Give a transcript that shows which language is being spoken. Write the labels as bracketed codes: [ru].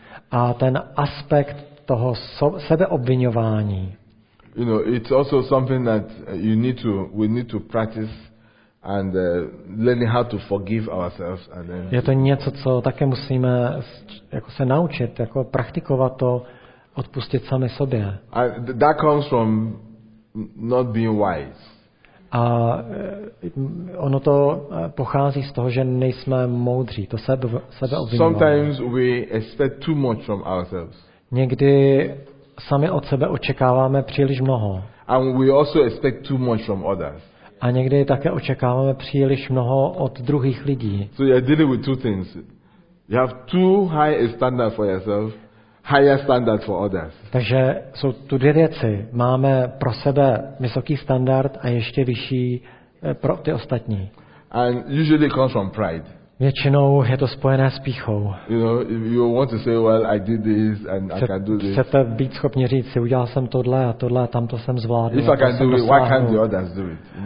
[cs] A ten aspekt toho sebeobviňování. [en] You know, it's also something that we need to practice and learning how to forgive ourselves and then. [cs] Je to něco, co také musíme jako se naučit, jako praktikovat to, odpustit sami sobě. [en] And that comes from not being wise. [cs] A ono to pochází z toho, že nejsme moudří, to sebeobviňování. [en] Sometimes we expect too much from ourselves. [cs] Někdy sami od sebe očekáváme příliš mnoho. [en] And we also expect too much from others. [cs] A někdy také očekáváme příliš mnoho od druhých lidí. [en] So you're dealing with two things. You have too high a standard for yourself, higher standard for others. [cs] Takže jsou tu dvě věci. Máme pro sebe vysoký standard a ještě vyšší pro ty ostatní. [en] And usually it comes from pride. [cs] Většinou je to spojené s pýchou. [en] You know, you want to say, well, I did this and I can do this. [cs] Chcete být schopni říct, si udělal jsem tohle a tohle, a tamto jsem zvládl. [en] If I can do it, why can't the others do it?